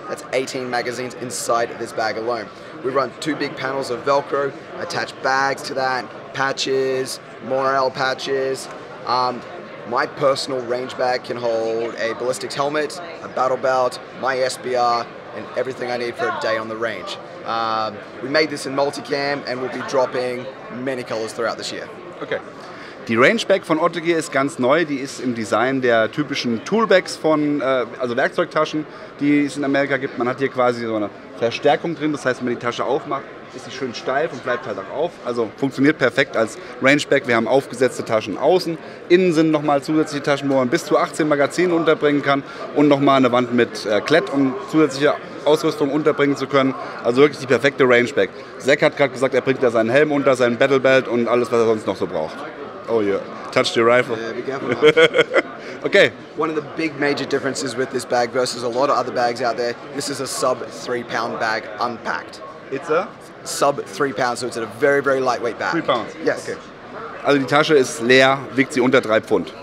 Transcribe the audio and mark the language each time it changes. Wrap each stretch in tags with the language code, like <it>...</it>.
<en>That's 18 magazines inside this bag alone. We run 2 big panels of Velcro, attach bags to that, patches, morale patches. My personal range bag can hold a ballistics helmet, a battle belt, my SBR, and everything I need for a day on the range. We made this in multicam and we'll be dropping many colors throughout this year. Okay.</en> <de>Die Range Bag von Otte Gear ist ganz neu. Die ist im Design der typischen Toolbags von, also Werkzeugtaschen, die es in Amerika gibt. Man hat hier quasi so eine Verstärkung drin. Das heißt, wenn man die Tasche aufmacht, ist sie schön steif und bleibt halt auch auf. Also funktioniert perfekt als Range Bag. Wir haben aufgesetzte Taschen außen. Innen sind nochmal zusätzliche Taschen, wo man bis zu 18 Magazinen unterbringen kann. Und nochmal eine Wand mit Klett, um zusätzliche Ausrüstung unterbringen zu können. Also wirklich die perfekte Range Bag. Zack hat gerade gesagt, er bringt da seinen Helm unter, seinen Battle Belt und alles, was er sonst noch so braucht.</de> <en>Oh yeah, touch your rifle. Yeah, be careful. Okay. One of the big major differences with this bag versus a lot of other bags out there, this is a sub 3 pound bag unpacked. It's a? Sub 3 pounds, so it's a very, very lightweight bag. 3 pounds? Yes. Okay.</en> <de>Also die Tasche ist leer, wiegt sie unter 3 Pfund.</de>